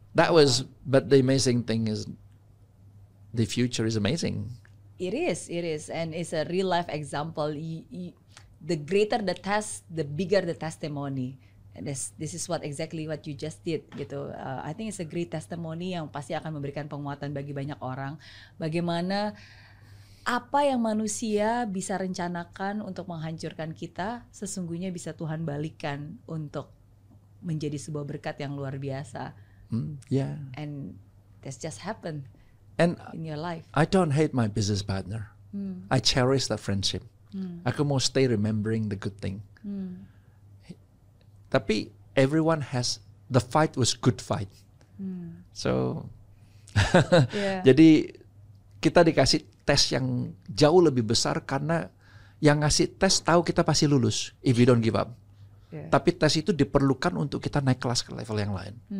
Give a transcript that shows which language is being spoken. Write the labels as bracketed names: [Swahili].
[English] That was, but the amazing thing is, the future is amazing. It is, it is, and it's a real life example. The greater the test, the bigger the testimony. And this is what exactly what you just did, [Indonesian] gitu. [English] I think it's a great testimony [Indonesian] yang pasti akan memberikan penguatan bagi banyak orang. Bagaimana apa yang manusia bisa rencanakan untuk menghancurkan kita, sesungguhnya bisa Tuhan balikan untuk menjadi sebuah berkat yang luar biasa. [English] And that's just happened. And in your life, I don't hate my business partner. I cherish that friendship. [Indonesian] Aku mau [English] stay remembering the good thing. [Indonesian] Tapi [English] everyone has the fight was good fight. [Indonesian] So jadi kita dikasih tes yang jauh lebih besar karena yang ngasih tes tahu kita pasti lulus [English] if you don't give up. [Indonesian] Tapi tes itu diperlukan untuk kita naik kelas ke level yang lain.